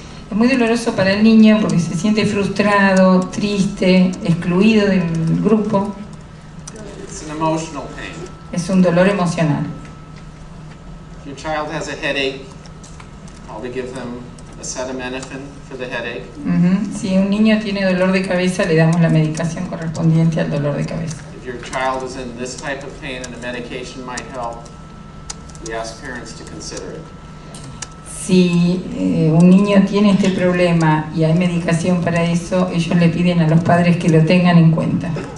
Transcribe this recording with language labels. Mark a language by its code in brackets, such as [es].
[es] Es muy doloroso para el niño porque se siente frustrado, triste, excluido del grupo. [en] It's an emotional pain. [es] Es un dolor emocional. [en] If your child has a headache, probably give them acetaminophen for the headache. [es] Si un niño tiene dolor de cabeza, le damos la medicación correspondiente al dolor de cabeza. [en] If your child is in this type of pain and a medication might help, we ask parents to consider it. [es] Si un niño tiene este problema y hay medicación para eso, ellos le piden a los padres que lo tengan en cuenta.